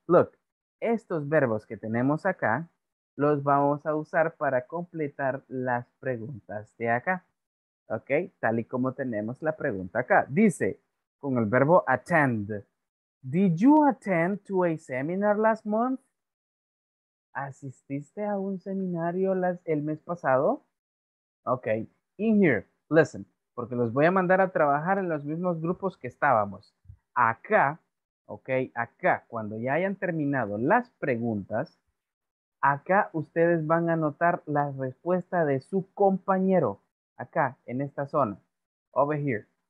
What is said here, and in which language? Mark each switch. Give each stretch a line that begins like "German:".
Spanish: Look, estos verbos que tenemos acá, los vamos a usar para completar las preguntas de acá. Ok, tal y como tenemos la pregunta acá. Dice, con el verbo attend.
English: Did you attend to a seminar last month?
Spanish: ¿Asististe a un seminario el mes pasado? Ok,
English: in here, listen,
Spanish: porque los voy a mandar a trabajar en los mismos grupos que estábamos. Acá, ok, acá, cuando ya hayan terminado las preguntas, acá ustedes van a anotar la respuesta de su compañero, acá, en esta zona,
English: over here.